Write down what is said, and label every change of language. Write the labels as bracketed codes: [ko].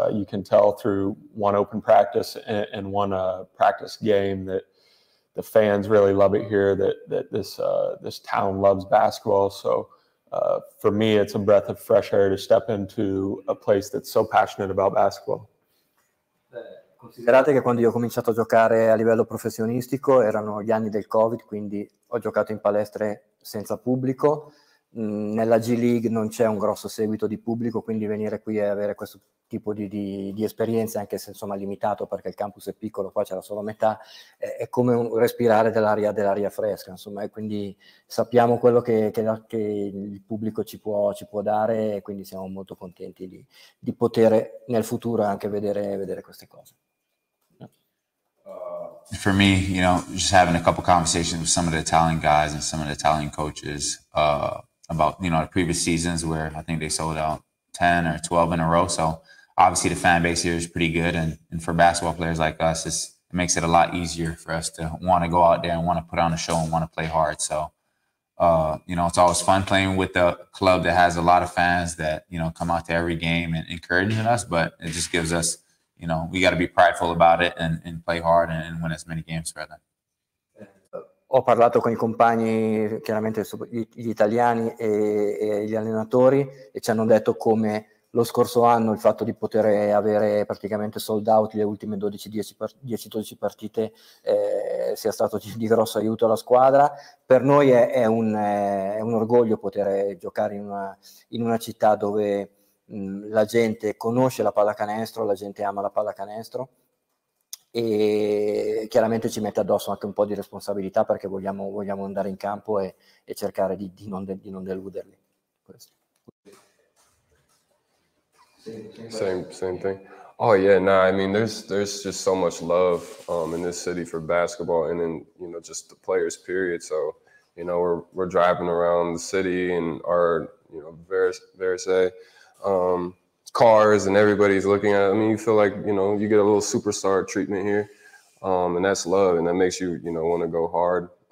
[en] You can tell through one open practice and one practice game that the fans really love it here, that this town loves basketball. So for me, it's a breath of fresh air to step into a place that's so passionate about basketball. [it] Considerate che quando io ho cominciato a giocare a livello professionistico erano gli anni del Covid, quindi ho giocato in palestre senza pubblico. Nella G League non c'è un grosso seguito di pubblico, quindi venire qui e avere questo tipo di esperienze, anche se insomma limitato perché il campus è piccolo, qua c'era solo metà, è come respirare dell'aria fresca, insomma, e quindi sappiamo quello che il pubblico ci può dare, e quindi siamo molto contenti di poter nel futuro anche vedere queste cose. [en] For me, you know, just having a couple conversations with some of the Italian guys and some of the Italian coaches about, you know, the previous seasons where I think they sold out 10 or 12 in a row. So obviously the fan base here is pretty good. And for basketball players like us, it makes it a lot easier for us to want to go out there and want to put on a show and want to play hard. So, you know, it's always fun playing with a club that has a lot of fans that, you know, come out to every game and encouraging us. But it just gives us, you know, we got to be prideful about it and play hard and win as many games for them. [it] Ho parlato con i compagni, chiaramente gli italiani e gli allenatori, e ci hanno detto come lo scorso anno il fatto di poter avere praticamente sold out le ultime 10-12 partite sia stato di grosso aiuto alla squadra. Per noi è un orgoglio poter giocare in una città dove la gente conosce la pallacanestro, la gente ama la pallacanestro. E chiaramente ci mette addosso anche un po' di responsabilità, perché vogliamo andare in campo e cercare di non deluderli. [en] Same thing. Oh yeah, no, I mean there's just so much love in this city for basketball, and then, you know, just the players period. So, you know, we're driving around the city in our, you know, Varese cars, and everybody's looking at it. I mean, you feel like, you know, you get a little superstar treatment here, and that's love, and that makes you, you know, want to go hard.